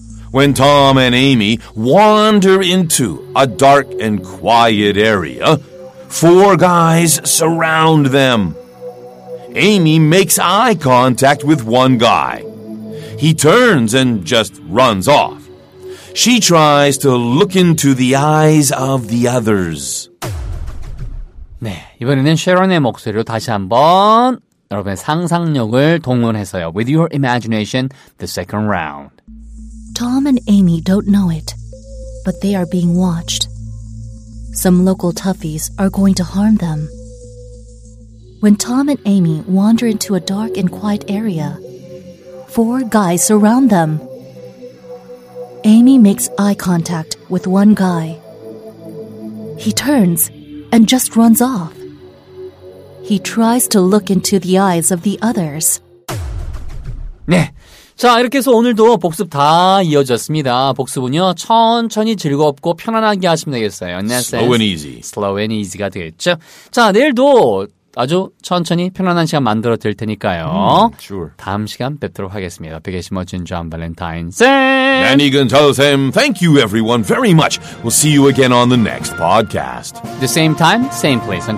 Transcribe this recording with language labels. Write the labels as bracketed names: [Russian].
[English] When Tom and Amy wander into a dark and quiet area, Four guys surround them. Amy makes eye contact with one guy. He turns and just runs off. She tries to look into the eyes of the others. [Korean] 네, 이번에는 셰런의 목소리로 다시 한번 여러분의 상상력을 동원해서요. [English] With your imagination, the second round. Tom and Amy don't know it, but they are being watched. Some local toughies are going to harm them. When Tom and Amy wander into a dark and quiet area, four guys surround them. Amy makes eye contact with one guy. He turns and just runs off. He tries to look into the eyes of the others. [Korean] 네. 자, 이렇게 해서 오늘도 복습 다 이어졌습니다. 복습은요, 천천히 즐겁고 편안하게 하시면 되겠어요. [English] Slow and easy. Slow and easy [Korean] 가 되겠죠. 자, 내일도 아주 천천히 편안한 시간 만들어 드릴 테니까요. [English] Sure. [Korean] 다음 시간 뵙도록 하겠습니다. 백의심어진 존 발렌타인 쌤! 애니근 저 쌤, [English] thank you everyone very much. We'll see you again on the next podcast. The same time, same place. Until then, you know what to do. Live with love and happiness.